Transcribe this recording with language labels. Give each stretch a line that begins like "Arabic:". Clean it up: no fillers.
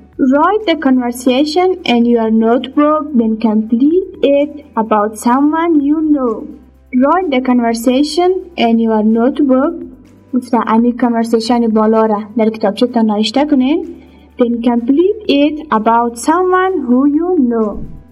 English: Write the conversation in your notebook then complete it about someone you know. Write the conversation in your notebook.
Persian: گفته امی کانورسیشن بالا را در کتاب چه تا نوشته کنین.
English: Then complete it about someone who you know.